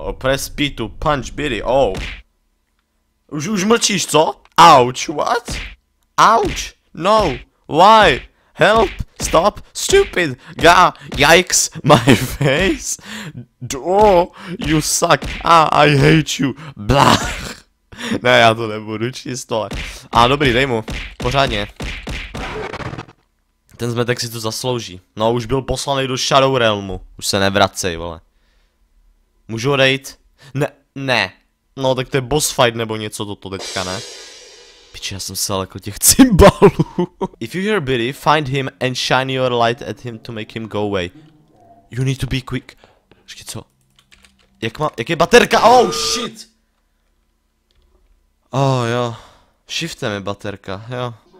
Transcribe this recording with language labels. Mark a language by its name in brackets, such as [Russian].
[English] Oh, press P to punch Billy, oh. [Czech] Už mlčíš, co? [English] Ouch, what? Ouch, no, why? Help, stop, stupid, gah, yikes, my face. Oh, you suck, ah, I hate you, blah. [Czech] Ne, já to nebudu číst tohle. A dobrý, dej mu. Pořádně. Ten zmetek si to zaslouží. No, už byl poslaný do Shadow Realmu. Už se nevracej, vole. Můžu odejít? Ne. No, tak to je boss fight nebo něco toto teďka, ne? Piče, já jsem se lekl těch cymbalů. [English] If you hear Billy, find him and shine your light at him to make him go away. You need to be quick. [Czech] Ještě co? Jak je baterka? [English] Oh, shit! [Czech] Oh, jo. Shiftem je baterka, jo.